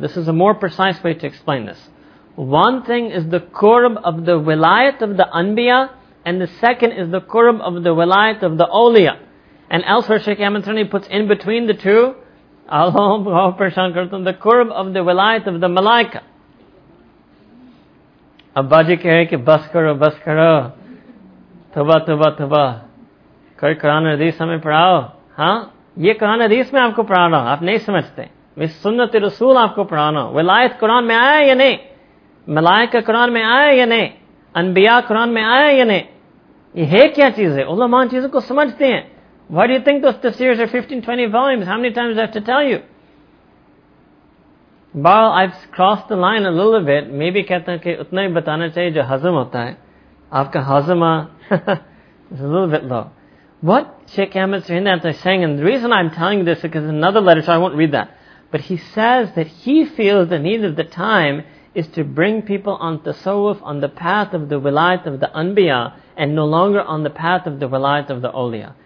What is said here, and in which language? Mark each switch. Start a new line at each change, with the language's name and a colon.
English: This is a more precise way to explain this. One thing is the Qurb of the wilayat of the Anbiya, and the second is the Qurb of the wilayat of the Awliya. And elsewhere, Shaykh Ahmed Thani puts in between the two, the Qurb of the wilayat of the Malaika.
Urdu: ابا جی کہرے کی بس کرو، توبہ توبہ توبہ۔ کر قرآن حدیث ہمے پڑھاؤ، ہا؟ یہ قرآن حدیث میں آپکو پڑھا رہا، آپ نہیں سمجھتے۔ اس سنت رسول آپکو پڑھا رہا۔ ولایت قرآن میں آیا یا نہیں؟ ملائکہ قرآن میں آیا یا نہیں؟ انبیاء قرآن میں آیا یا نہیں؟ یہ ہے کیا چیز ہے؟ علماء چیز کو سمجھتے ہیں۔
English: Why do you think those tafsirs are 15-20 volumes? How many times do I have to tell you? Baal, I've crossed the line a little bit. Maybe
Urdu: کہتا کے اتنا ہی بتانا چاہیے جو ہضم ہوتا ہے۔ Aapka hazma
English: is a little bit low. What Sheikh Ahmed Srinath is saying, and the reason I'm telling this is because another letter, so I won't read that. But he says that he feels the need of the time is to bring people on tasawwuf, on the path of the wilayat of the Anbiya, and no longer on the path of the wilayat of the Awliya.